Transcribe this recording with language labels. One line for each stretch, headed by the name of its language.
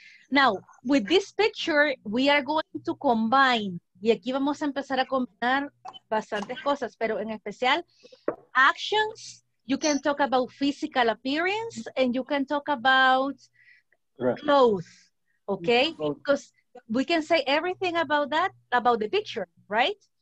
English: Now, with this picture, we are going to combine.
Spanish: Y aquí vamos a empezar a combinar bastantes cosas, pero en especial, actions.
English: You can talk about physical appearance and you can talk about clothes. Ok. Because we can say everything about that, about the picture, right?